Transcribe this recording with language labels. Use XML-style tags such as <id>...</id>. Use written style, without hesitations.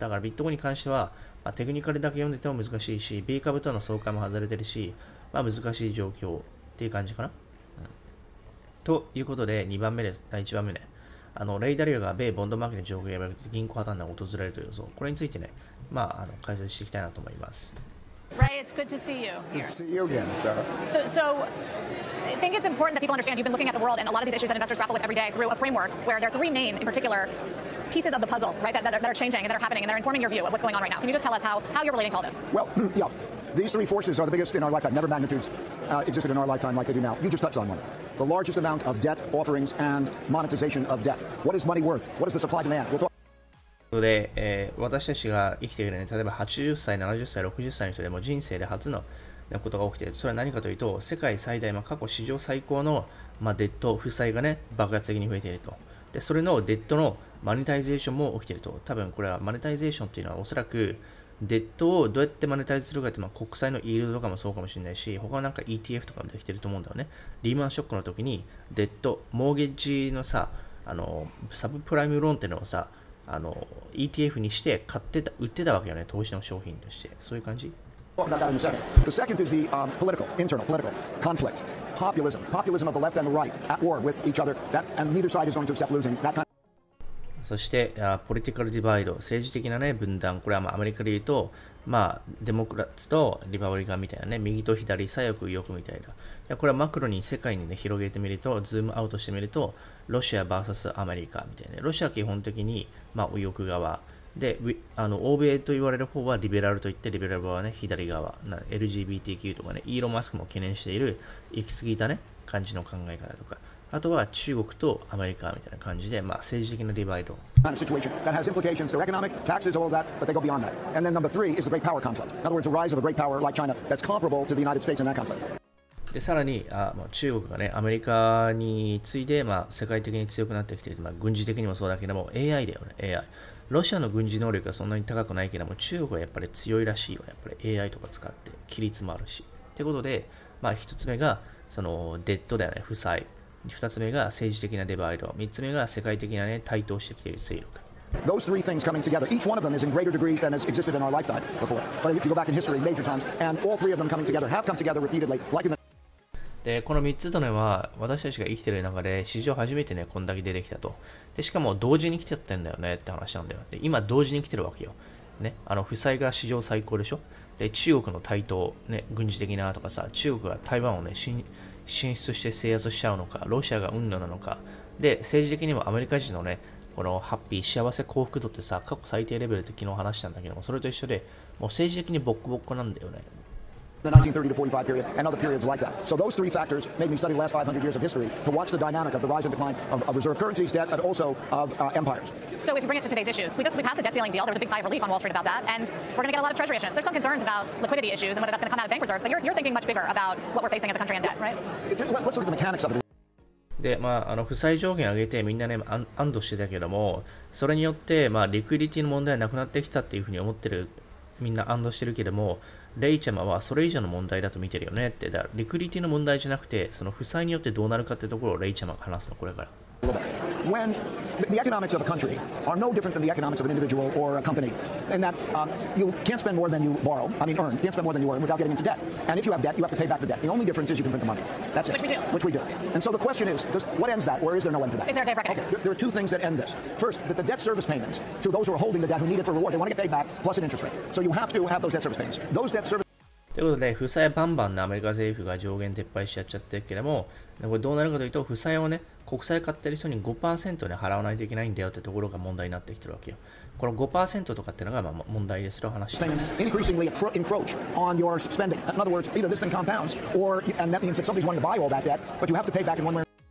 <ja>だからビットコインに関しては、テクニカルだけ読んでても難しいし、米株との相関も外れてるし、難しい状況っていう感じかな。ということで、2番目です。1番目ね。レイダリオが米ボンドマーケットの状況が悪くて銀行破綻が訪れるという予想。これについてね、解説していきたいなと思います。</ja> <en>Ray, it's good to see you. Good to see you again, Jeff. So I think it's important that people understand you've been looking at the world and a lot of these issues that investors grapple with every day through a framework where there are three main, in particular, pieces of the puzzle, right, that are changing and that are happening and they're informing your view of what's going on right now. Can you just tell us how you're relating to all this? Well, yeah, these three forces are the biggest in our lifetime. Never magnitudes existed in our lifetime like they do now. You just touched on one. The largest amount of debt offerings and monetization of debt. What is money worth? What is the supply demand?</en> <ja>で、私たちが生きているね、例えば80歳、70歳、60歳の人でも人生で初のことが起きている。それは何かというと、世界最大、まあ、過去史上最高の、まあ、デッド、負債がね、爆発的に増えていると。で、それのデッドのマネタイゼーションも起きていると。多分これはマネタイゼーションというのはおそらくデッドをどうやってマネタイズするかって、まあ、国債のイールドとかもそうかもしれないし、他はなんか ETF とかもできていると思うんだよね。リーマンショックの時にデッド、モーゲージのさ、あのサブプライムローンっていうのをさ、ETF にして買ってた、売ってたわけよね、投資の商品として。そういう感じ？</ja> <en>Talk about that in a second. The second is the political, internal political conflict. Populism. Populism of the left and the right at war with each other. That, and neither side is going to accept losing. That kind of...</en> <ja>そして、ポリティカルディバイド、政治的な、ね、分断、これは、まあ、アメリカで言うと、まあ、デモクラッツとリパブリカンみたいなね、右と左、左翼、右翼みたいな。これはマクロに世界に、ね、広げてみると、ズームアウトしてみると、ロシア VS アメリカみたいな。ロシアは基本的に、まあ、右翼側。で、欧米と言われる方はリベラルといって、リベラル側は、ね、左側。 LGBTQ とかね、イーロン・マスクも懸念している、行き過ぎたね、感じの考え方とか。あとは中国とアメリカみたいな感じで、まあ、政治的なディバイド。</ja> <en>That has implications, their economic taxes, all that, but they go beyond that. And then number three is the great power conflict. In other words, the rise of a great power like China that's comparable to the United States in that conflict. で、さらに、中国がね、アメリカに次いで、まあ、世界的に強くなってきている、まあ、軍事的にもそうだけども、AI だよね、AI。ロシアの軍事能力はそんなに高くないけども、中国はやっぱり強いらしいよ、やっぱり AI とか使って、規律もあるし。ってことで、まあ、一つ目が、その、デッドだよね、負債。 2つ目が政治的なデバイド、3つ目が世界的な、ね、台頭してきている勢力。 Those three things coming together, each one of them is in greater degrees than has existed in our lifetime before. But if you go back in history, major times, and all three of them coming together have come together repeatedly, like in the...</en> <ja>で、この3つというのは私たちが生きている中で史上初めてね、こんだけ出てきたと。で、しかも同時に来てたんだよねって話なんだよ。で、今同時に来てるわけよ。ね、あの負債が史上最高でしょ。で、中国の台頭、ね、軍事的なとかさ、中国が台湾をね、進出して制圧しちゃうのか、ロシアが運動なのか、で、政治的にもアメリカ人のね、このハッピー、幸せ、幸福度ってさ、過去最低レベルって昨日話したんだけども、それと一緒で、もう政治的にボッコボッコなんだよね。</ja> <en>The 1930 to 45 period and other periods like that. So those three factors made me study the last 500 years of history to watch the dynamic of the rise and decline of reserve currencies, debt, but also of empires. So if you bring it to today's issues, we passed a debt ceiling deal. There was a big sigh of relief on Wall Street about that, and we're going to get a lot of treasury issues. There's some concerns about liquidity issues and whether that's going to come out of bank reserves, but you're thinking much bigger about what we're facing as a country in debt, right? Let's look at the mechanics of it.</en> <ja>で、まあ、負債上限上げてみんなね、安堵してたけども、それによって、まあ、リクイディティの問題はなくなってきたっていうふうに思ってる、みんな安堵してるけども、レイちゃまはそれ以上の問題だと見てるよねって。だからリクリティの問題じゃなくて、その負債によってどうなるかってところをレイちゃまが話すの、これから。</ja> <en>When the economics of a country are no different than the economics of an individual or a company, in that you can't spend more than you borrow, I mean earn, can't spend more than you earn without getting into debt. And if you have debt, you have to pay back the debt. The only difference is you can print the money. That's it. Which we do. And so the question is, what ends that, or is there no end to that? Is there a debt reckoning? Okay, there are two things that end this. First, that the debt service payments to those who are holding the debt who need it for reward, they want to get paid back plus an interest rate. So you have to have those debt service payments. Those debt service...</en> <ja>ということで、負債バンバンのアメリカ政府が上限撤廃しちゃってるけども、これどうなるかというと、負債をね、国債買ってる人に 5% で払わないといけないんだよってところが問題になってきてるわけよ。この 5% とかってのがまあ問題ですよ、話して。</ja> <en>Increasingly encroach on your spending. In other words, either this thing compounds, or, and that means that somebody's wanting to buy all that debt, but you have to pay back in one way.</en>